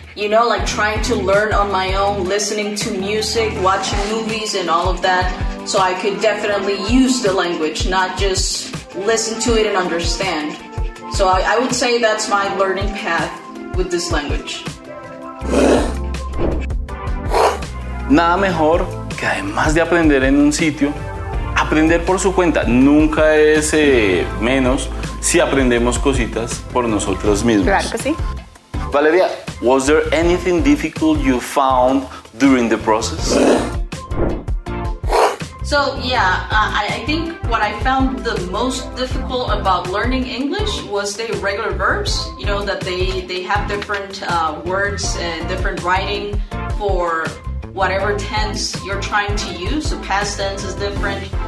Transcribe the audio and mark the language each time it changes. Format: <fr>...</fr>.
<en>You know, like trying to learn on my own, listening to music, watching movies and all of that, so I could definitely use the language, not just listen to it and understand. So I would say that's my learning path with this language.</en> <es>Nada mejor que además de aprender en un sitio, aprender por su cuenta. Nunca es menos si aprendemos cositas por nosotros mismos. Claro que sí.</es> <en>Valeria, was there anything difficult you found during the process? So, yeah, I think what I found the most difficult about learning English was the irregular verbs. You know, that they have different words and different writing for whatever tense you're trying to use. So past tense is different.</en>